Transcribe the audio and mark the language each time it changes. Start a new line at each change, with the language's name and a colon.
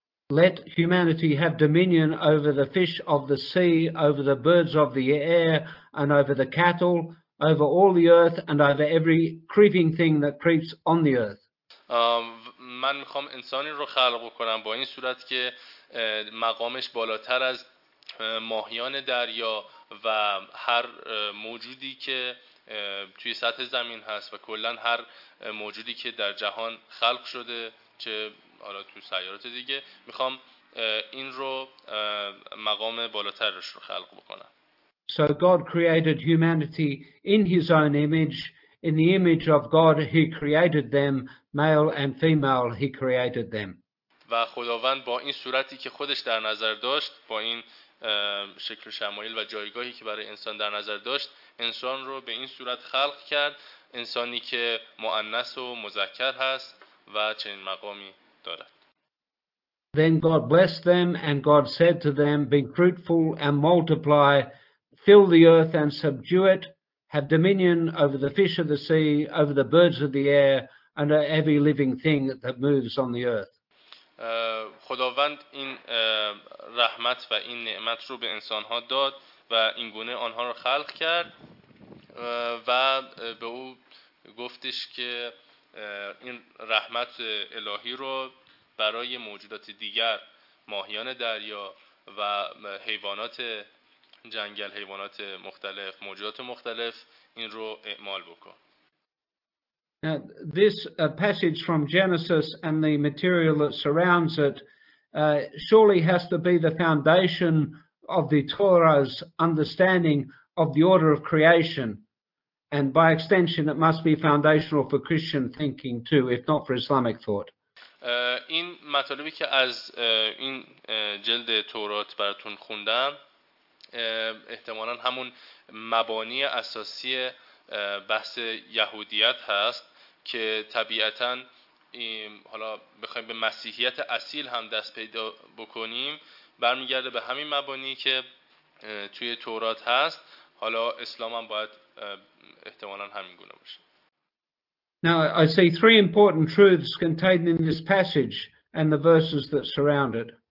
English: Let humanity have dominion over the fish of the sea, over the birds of the air, and over the cattle, over all the earth, and over every creeping thing that creeps on the earth.
Persian: من میخوام انسانی رو خلق کنم با این صورت که مقامش بالاتر از ماهیان دریا و هر موجودی که توی سطح زمین هست و کلن هر موجودی که در جهان خلق شده، چه حالا تو سیارات دیگه، میخوام این رو مقام بالاترش رو خلق بکنم.
English: So God created humanity in his own image. In the image of God, he created them, male and female, he created them.
Persian: و خداوند با این صورتی که خودش در نظر داشت، با این شکل شمایل و جایگاهی که برای انسان در نظر داشت، انسان رو به این صورت خلق کرد، انسانی که مؤنث و مذکر هست و چنین مقامی دارد.
English: Then God blessed them and God said to them, "Be fruitful and multiply, fill the earth and subdue it. Have dominion over the fish of the sea, over the birds of the air, and over every living thing that moves on the earth."
Persian: خداوند این رحمت و این نعمت رو به انسان‌ها داد و اینگونه آنها رو خلق کرد و به او گفتش که این رحمت الهی رو برای موجودات دیگر، ماهیان دریا و حیوانات جنگل، حیوانات مختلف، موجودات مختلف، این رو اعمال بکن.
English: Now, this passage from Genesis and the material that surrounds it surely has to be the foundation of the Torah's understanding of the order of creation, and by extension it must be foundational for Christian thinking too, if not for Islamic thought.
Persian: این مطالبی که از این جلد تورات براتون خوندم احتمالاً همون مبانی اساسی بحث یهودیت هست که طبیعتاً حالا بخوایم به مسیحیت اصیل هم دست پیدا بکنیم برمیگرده به همین مبانی که توی تورات هست، حالا اسلام هم باید احتمالاً همین گونه باشه.
English: Now I see three important truths contained in this passage and the verses that surround it.